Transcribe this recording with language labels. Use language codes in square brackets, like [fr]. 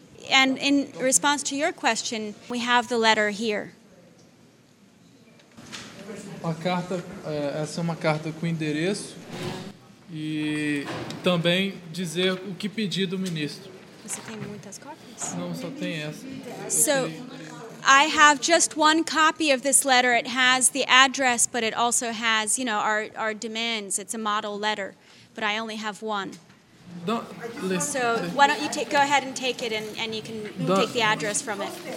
[en] And in response to your question, we have the letter here. [pt] Uma carta, essa é uma carta com endereço e também dizer o que pedir do ministro. Você tem muitas cópias? Não, só tem essa. [en] So, I have just one copy of this letter. It has the address, but it also has, you know, our demands. It's a model letter, but I only have one. So why don't you go ahead and take it and you can take the address from it.